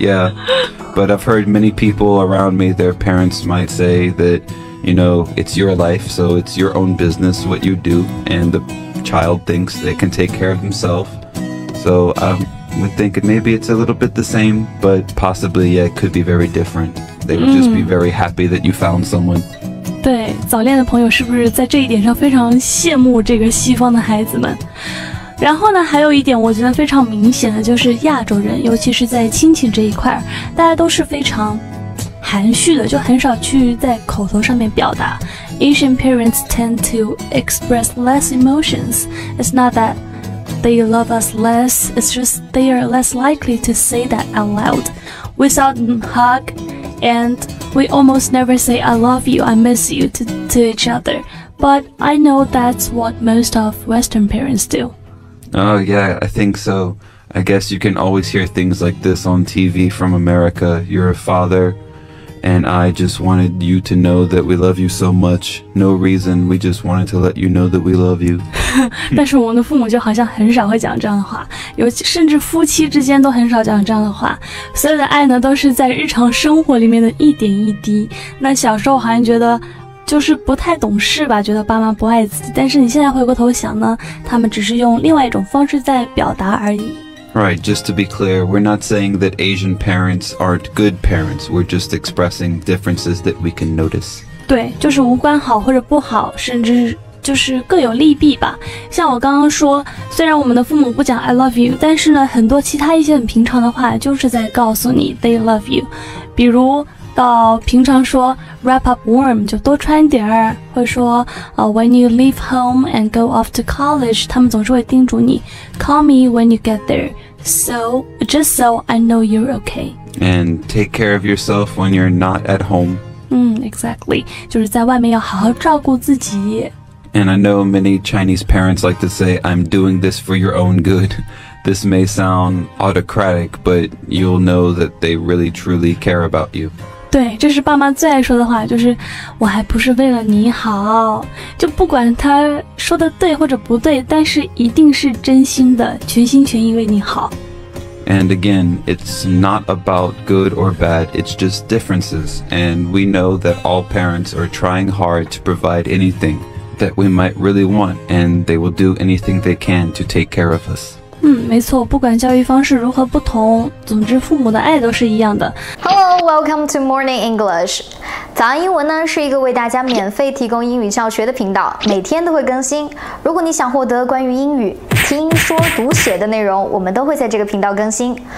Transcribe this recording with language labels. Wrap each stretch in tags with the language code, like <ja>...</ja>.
<en>Yeah, but I've heard many people around me, their parents might say that, you know, it's your life, so it's your own business what you do, and the child thinks they can take care of themselves. So, I'm thinking maybe it's a little bit the same, but possibly, yeah, it could be very different. They would just be very happy that you found someone.</en> <zh>对，早恋的朋友是不是在这一点上非常羡慕这个西方的孩子们？然后呢，还有一点我觉得非常明显的就是亚洲人，尤其是在亲情这一块，大家都是非常含蓄的，就很少去在口头上面表达。</zh> <en>Asian parents tend to express less emotions. It's not that. They love us less, it's just they are less likely to say that out loud. We seldom hug, and we almost never say I love you, I miss you to each other. But I know that's what most of Western parents do. Oh yeah, I think so. I guess you can always hear things like this on TV from America. You're a father, and I just wanted you to know that we love you so much. No reason, we just wanted to let you know that we love you.</en> <zh>但是我们的父母就好像很少会讲这样的话，尤其甚至夫妻之间都很少讲这样的话。所有的爱呢，都是在日常生活里面的一点一滴。那小时候好像觉得就是不太懂事吧，觉得爸妈不爱自己。但是你现在回过头想呢，他们只是用另外一种方式在表达而已。</zh> <en>Right, just to be clear, we're not saying that Asian parents aren't good parents. We're just expressing differences that we can notice.</en> <zh>对，就是无关好或者不好，甚至就是各有利弊吧。像我刚刚说，虽然我们的父母不讲</zh> <en>I love you，</en> <zh>但是呢，很多其他一些很平常的话就是在告诉你</zh> <en>they love you。</en> <zh>比如到平常说</zh> <en>wrap up warm，</en> <zh>就多穿点儿，或者说、</zh> <en>when you leave home and go off to college，</en> <zh>他们总是会叮嘱你</zh> <en>call me when you get there， so just so I know you're okay and take care of yourself when you're not at home。</en> <zh>Exactly， 就是在外面要好好照顾自己。</zh> <en>And I know many Chinese parents like to say, I'm doing this for your own good. This may sound autocratic, but you'll know that they really truly care about you.</en> <zh>对，这是爸妈最爱说的话，就是我还不是为了你好。就不管他说的对或者不对，但是一定是真心的，全心全意为你好。</zh> <en>And again, it's not about good or bad, it's just differences. And we know that all parents are trying hard to provide anything. That we might really want, and they will do anything they can to take care of us.</en> <zh>没错，不管教育方式如何不同，总之父母的爱都是一样的。</zh> <en>Hello, welcome to Morning English.</en> <zh>早安英文呢是一个为大家免费提供英语教学的频道，每天都会更新。如果你想获得关于英语听说读写的内容，我们都会在这个频道更新。</zh>